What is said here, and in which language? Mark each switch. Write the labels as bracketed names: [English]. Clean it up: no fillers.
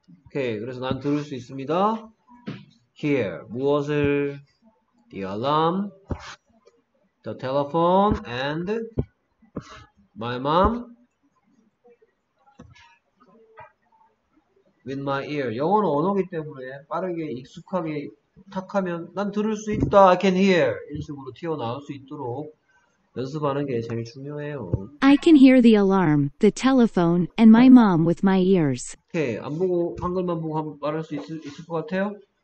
[Korean] 오케이, 그래서 난 들을 수 있습니다. [English] Here [Korean] 무엇을? [English] The alarm, the telephone, and my mom with my ear. [Korean] 영어는 언어기 때문에 빠르게 익숙하게 탁하면 난 들을 수 있다. [English] I can hear. [Korean] 이런 식으로 튀어나올 수 있도록 연습하는 게 제일 중요해요. [English] I can hear the alarm, the telephone, and my mom with my ears. [Korean] 오케이. 안 보고 한글만 보고 말할 수 있을 것 같아요?